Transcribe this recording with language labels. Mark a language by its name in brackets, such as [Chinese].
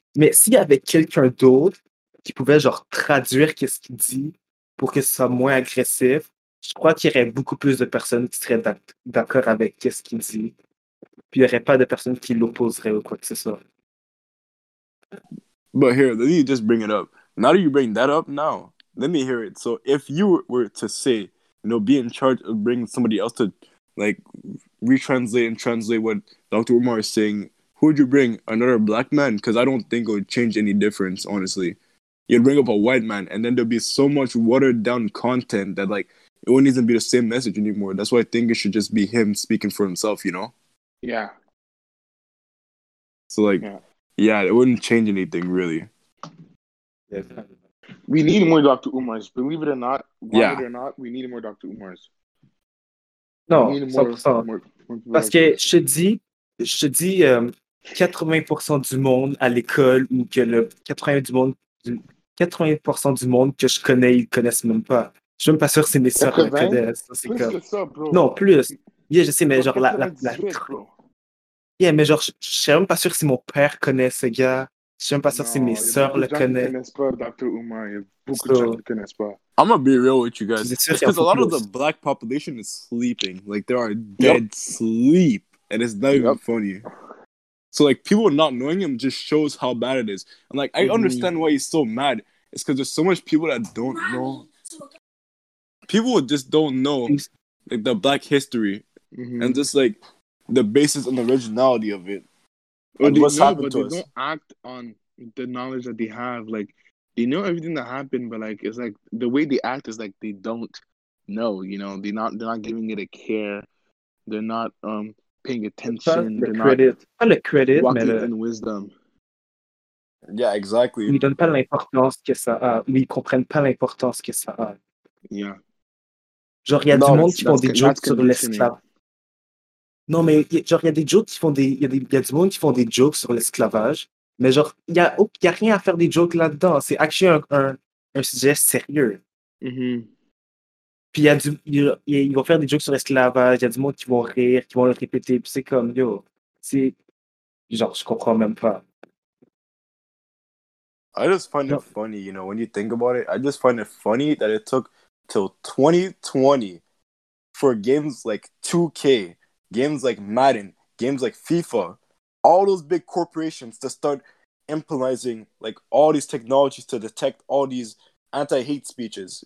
[French] Mais s'il y avait quelqu'un d'autre qui pouvait, genre, traduire qu'est-ce qu'il dit pour que ce soit moins agressif, je crois qu'il y aurait beaucoup plus de personnes qui seraient d'accord avec qu'est-ce qu'il dit. Puis il n'y aurait pas de personnes qui l'opposeraient ou quoi que ce soit. [English] But here, let me just bring it up. Now that you bring that up, now. Let me hear it. So if you were to say, you know, be in charge of bringing somebody else to, like, retranslate and translate what Dr. Umar is saying, who would you bring? Another black man? Because I don't think it would change any difference, honestly. You'd bring up a white man, and then there'd be so much watered down content that, like, it wouldn't even be the same message anymore. That's why I think it should just be him speaking for himself, you know? Yeah. So, like, yeah, it wouldn't change anything, really. Yeah. We need more Dr. Umars. Believe it or not, we need more Dr. Umars. [French] Non, more. Parce que je te dis, 80% du monde à l'école, ou que le 80% du monde que je connais, ils connaissent même pas. Je suis même pas sûr que c'est mes soeurs qui connaissent. Plus que ça, bro. Non, plus. Yeah, je sais, mais genre, 98, la... Yeah, mais genre, je suis même pas sûr que si mon père connaît ce gars. Je suis même pas sûr si mes sœurs le connaissent. Pas, Dr. Umar. Il y a beaucoup de gens qui ne connaissent pas. [English] I'm gonna be real with you guys. It's because a lot of the black population is sleeping. Like, they are dead sleep. And it's not even funny. So, like, people not knowing him just shows how bad it is. And, like, I understand why he's so mad. It's because there's so much people that don't know. People just don't know, like, the black history. Mm-hmm. And just, like, the basis and the originality of it. And what's happened to us? They don't act on the knowledge that they have. Like, they know everything that happened, but like, it's like the way they act is like they don't know. You know, they're not giving it a care. They're not paying attention. The credit, not walking in wisdom. Yeah, exactly. [French] Ils donnent pas l'importance que ça a. Ou ils comprennent pas l'importance que ça a. [English] Yeah. [French] Genre, il y a du monde qui font des jokes sur l'esclavage. Non, mais genre, il y a des jokes qui font des. Il y a du monde qui font des jokes sur l'esclavage. Mais genre, il n'y a rien à faire des jokes là-dedans. C'est actually un sujet sérieux. Mm-hmm. Puis ils vont faire des jokes sur l'esclavage. Il y a du monde qui vont rire, qui vont le répéter. Puis c'est comme, yo, c'est. Genre, je comprends même pas. [English] I just find it funny, you know, when you think about it. I just find it funny that it took till 2020 for games like 2K, games like Madden, games like FIFA, all those big corporations to start implementing like all these technologies to detect all these anti-hate speeches.